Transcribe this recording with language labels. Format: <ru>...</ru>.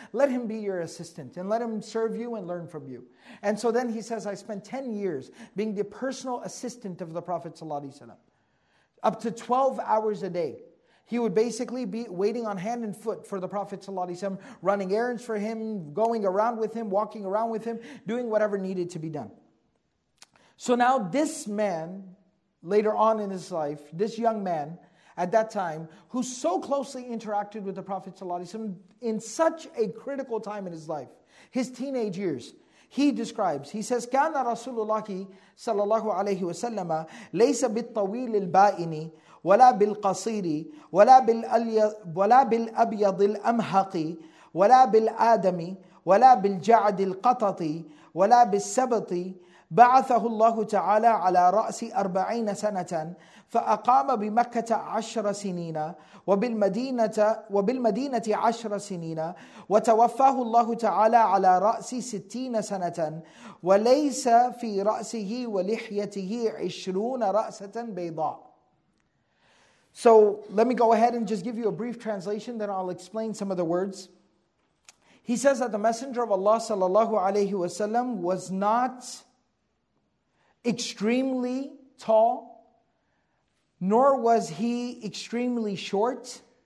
<en>Let him be your assistant and let him serve you and learn from you. And so then he says, I spent 10 years being the personal assistant of the Prophet ﷺ. Up to 12 hours a day, he would basically be waiting on hand and foot for the Prophet ﷺ, running errands for him, going around with him, walking around with him, doing whatever needed to be done. So now this man, later on in his life, this young man, at that time, who so closely interacted with the Prophet ﷺ in such a critical time in his life, his teenage years, he describes, he says,</en> <ar>كَانَ رَسُولُ اللَّهِ صَلَى اللَّهُ عَلَيْهِ وَسَلَّمَ لَيْسَ بِالطَّوِيلِ الْبَائِنِ وَلَا بِالْقَصِيرِ وَلَا بِالْأَبْيَضِ الْأَمْحَقِ وَلَا بِالْآدَمِ وَلَا بِالْجَعْدِ الْقَطَطِ وَلَا بِالسَّبَطِ بَعَثَهُ اللَّهُ تَعَالَى عَلَى رَأْسِ 40 سَنَةً فَأَقَامَ بِمَكَّةَ 10 سِنِينَ وَبِالْمَدِينَةِ 10 سِنِينَ وَتَوَفَّاهُ اللَّهُ تَعَالَى عَلَى رَأْسِ 60 سَنَةً وَلَيْسَ فِي رَأْسِهِ وَلِحْيَتِهِ 20 رَأْسَةً بَيْضَاءَ.</ar> <en>So let me go ahead and just give you a brief translation, then I'll explain some of the words. He says that the Messenger of Allah sallallahu alayhi wa sallam was not extremely tall, nor was he extremely short.</en>